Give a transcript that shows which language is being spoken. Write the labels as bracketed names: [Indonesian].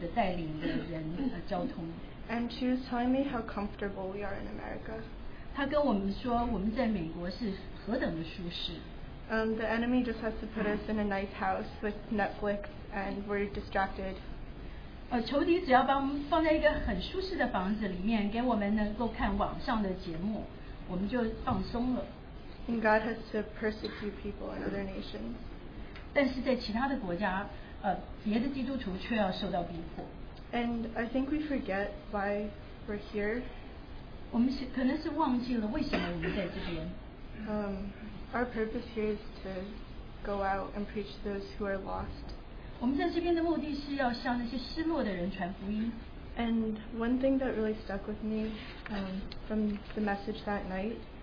[Chinese] 所以我在我的那个小组里面跟我的小组的带领的人交通。 [English] And she was telling me how comfortable we are in America. [Chinese] 他跟我们说我们在美国是何等的舒适。 [English] The enemy just has to put us in a nice house with Netflix and we're distracted. [Chinese] 仇敌只要放在一个很舒适的房子里面给我们能够看网上的节目。 [English] And God has to persecute people in other nations. [Chinese] 但是在其他的国家，别的基督徒却要受到逼迫。 [English] And I think we forget why we're here. [Chinese] 我们可能是忘记了为什么我们在这边。 [English] Our purpose here is to go out and preach to those who are lost. [Chinese] 我们在这边的目的是要向那些失落的人传福音。 [English] And one thing that really stuck with me from the message that night.